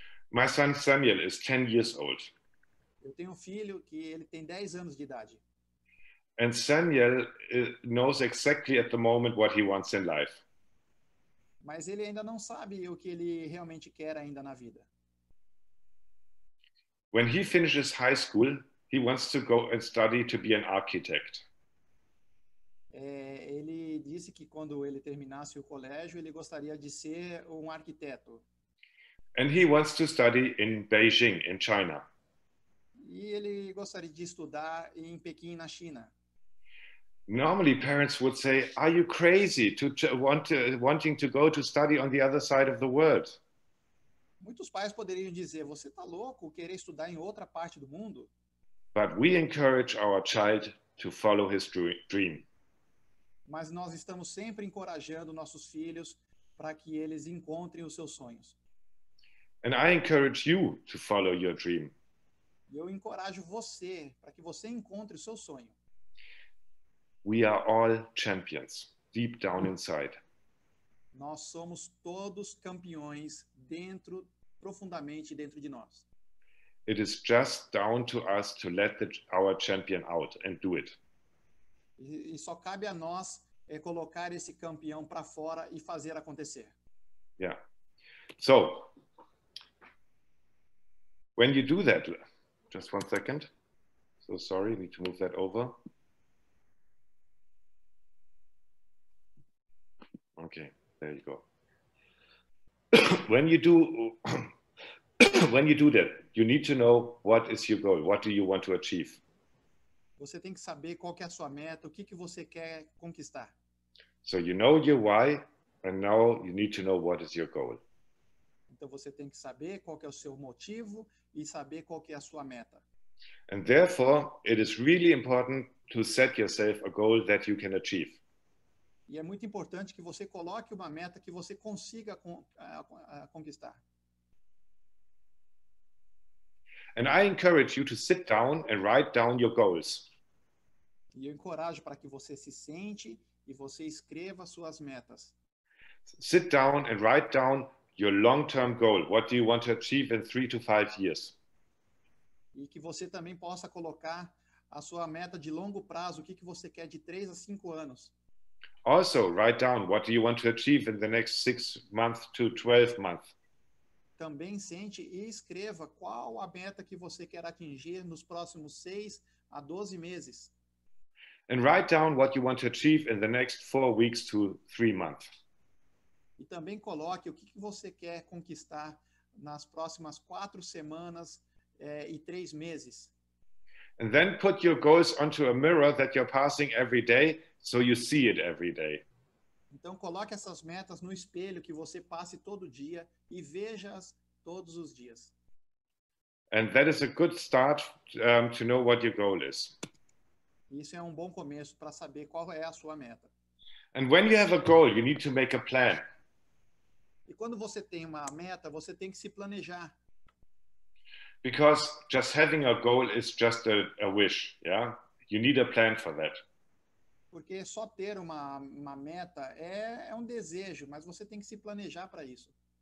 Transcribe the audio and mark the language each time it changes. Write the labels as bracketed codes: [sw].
[en] My son Samuel is 10 years old. [pt] Eu tenho um filho que ele tem 10 anos de idade. [en] And Samuel knows exactly at the moment what he wants in life. [pt] Mas ele ainda não sabe o que ele realmente quer ainda na vida. [en] When he finishes high school, he wants to go and study to be an architect. [pt] Ele disse que quando ele terminasse o colégio, ele gostaria de ser um arquiteto. [en] And he wants to study in Beijing, in China. [pt] E ele gostaria de estudar em Pequim, na China. [en] Normally, parents would say, "Are you crazy wanting to go to study on the other side of the world?" [pt] Muitos pais poderiam dizer, "Você está louco, querer estudar em outra parte do mundo?" [en] But we encourage our child to follow his dream. [pt] Mas nós estamos sempre encorajando nossos filhos para que eles encontrem os seus sonhos. [en] And I encourage you to follow your dream. [pt] Eu encorajo você para que você encontre o seu sonho. [en] We are all champions, deep down inside. [pt] Nós somos todos campeões dentro, profundamente dentro de nós. [en] It is just down to us to let our champion out and do it. [pt] E só cabe a nós colocar esse campeão para fora e fazer acontecer. [en] Yeah. So, when you do that, just one second. So sorry, need to move that over. Okay, there you go. When you do that, you need to know what is your goal. What do you want to achieve? [pt] Você tem que saber qual que é a sua meta, o que que você quer conquistar. [en] So you know your why, and now you need to know what is your goal. [pt] Então você tem que saber qual que é o seu motivo e saber qual que é a sua meta. [en] And therefore, it is really important to set yourself a goal that you can achieve. [pt] E é muito importante que você coloque uma meta que você consiga conquistar. [en] And I encourage you to sit down and write down your goals. [pt] E eu encorajo para que você se sente e você escreva suas metas. [en] Sit down and write down your long-term goal. What do you want to achieve in 3 to 5 years? [pt] E que você também possa colocar a sua meta de longo prazo. O que que você quer de 3 a 5 anos? [en] Also, write down what do you want to achieve in the next 6 months to 12 months. [pt] Também sente e escreva qual a meta que você quer atingir nos próximos 6 a 12 meses. [en] And write down what you want to achieve in the next 4 weeks to 3 months. [pt] E também coloque o que que você quer conquistar nas próximas 4 semanas e 3 meses. [en] And then put your goals onto a mirror that you're passing every day, so you see it every day. [pt] Então coloque essas metas no espelho que você passe todo dia e veja-as todos os dias. [en] And that is a good start to know what your goal is. [pt] Isso é um bom começo para saber qual é a sua meta. [en] And when you have a goal, you need to make a plan. [pt] E quando você tem uma meta, você tem que se planejar. [en] Because just having a goal is just a wish, yeah? You need a plan for that. [pt] Porque só ter uma meta é um desejo, mas você tem que se planejar para isso.